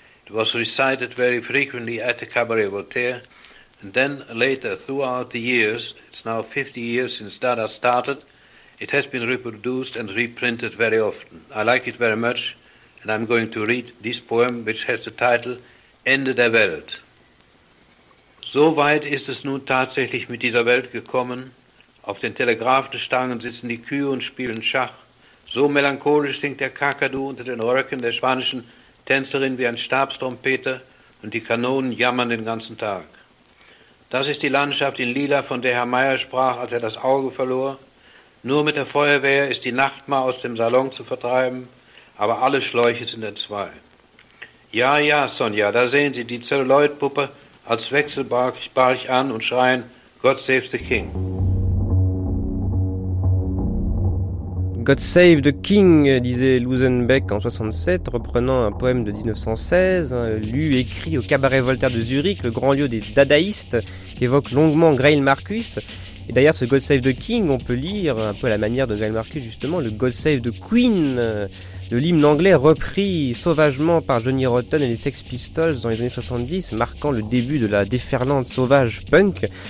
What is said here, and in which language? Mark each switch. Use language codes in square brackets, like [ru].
[en] It was recited very frequently at the Cabaret Voltaire, and then later throughout the years, it's now 50 years since Dada started, it has been reproduced and reprinted very often. I like it very much, and I'm going to read this poem, which has the title Ende der Welt. [de] So weit ist es nun tatsächlich mit dieser Welt gekommen. Auf den Telegraphenstangen sitzen die Kühe und spielen Schach. So melancholisch singt der Kakadu unter den Röcken der spanischen Tänzerin wie ein Stabstrompeter und die Kanonen jammern den ganzen Tag. Das ist die Landschaft in Lila, von der Herr Meyer sprach, als er das Auge verlor. Nur mit der Feuerwehr ist die Nacht mal aus dem Salon zu vertreiben, aber alle Schläuche sind entzwei. Ja, ja, Sonja, da sehen Sie die Zelluloid-Puppe als Wechselbalch an und schreien, [en] God save the King. God save the King, [fr] disait Lusenbeck en 67, reprenant un poème de 1916, lu, écrit au cabaret Voltaire de Zurich, le grand lieu des dadaïstes, qu'évoque longuement Grail Marcus. Et d'ailleurs, ce God save the King, on peut lire, un peu à la manière de Grail Marcus, justement, le God save the Queen, de l'hymne anglais repris sauvagement par Johnny Rotten et les Sex Pistols dans les années 70, marquant le début de la déferlante sauvage punk.